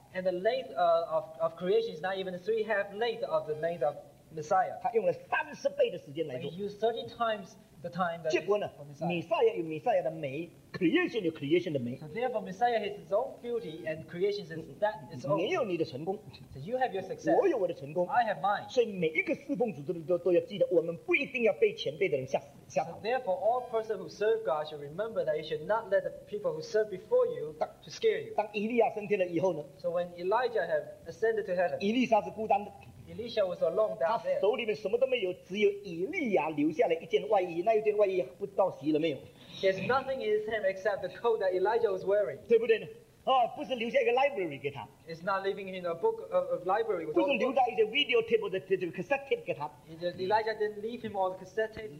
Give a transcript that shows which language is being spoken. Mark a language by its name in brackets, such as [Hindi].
[English] and the length of creation is not even the 3 half length of the length of Messiah. [Chinese] 他用了30倍的时间来做, [English] he used 30 times the time that [Chinese] 结果呢, [English] for Messiah. [Chinese] 弥赛亚有弥赛亚的美, creation 有creation的美, [English] so therefore Messiah has his own beauty and creation is that its own. [Chinese] 你有你的成功, [English] so you have your success, [Chinese] 我有我的成功, [English] I have mine. [Chinese] 所以每一个侍奉组织都要记得, 我们不一定要被前辈的人吓死, [English] so therefore all person who serve God should remember that you should not let the people who serve before you to scare you. [Chinese] 当以利亚升天了以后呢, [English] so when Elijah have ascended to heaven, [Chinese] 以利沙是孤单的, [English] Elisha was alone down there. [Chinese] 他手里面什么都没有, 只有以利亚留下了一件外衣, 那一件外衣, 不知道洗了没有? [English] There's nothing in his hand except the coat that Elijah was wearing. [Chinese] 对不对呢?哦, 不是留下一个library给他, [English] it's not leaving him a book of library with [Chinese] 不是留下一些 videotape 的这个 cassette tape给他, [English] Elijah didn't leave him all the cassette tape,